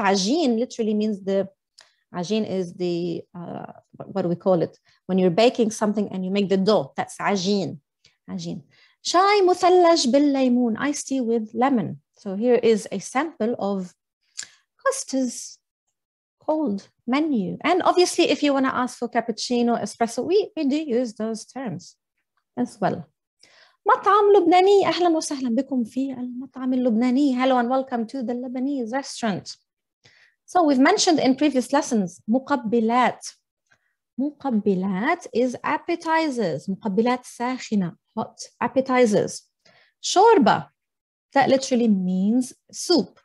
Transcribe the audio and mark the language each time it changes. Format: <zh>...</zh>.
<en>عجين literally means the, عجين is the, what do we call it? When you're baking something and you make the dough, that's عجين.</en> <ar>عجين. شاي مثلج بالليمون,</ar> <en>iced tea with lemon. So here is a sample of Costa's cold menu. And obviously, if you want to ask for cappuccino, espresso, we do use those terms as well.</en> <ar>مطعم لبناني, أهلا وسهلا بكم في المطعم اللبناني.</ar> <en>Hello and welcome to the Lebanese restaurant. So we've mentioned in previous lessons, مقبلات. مقبلات is appetizers. مقبلات ساخنة, hot appetizers. شوربة, that literally means soup.</en>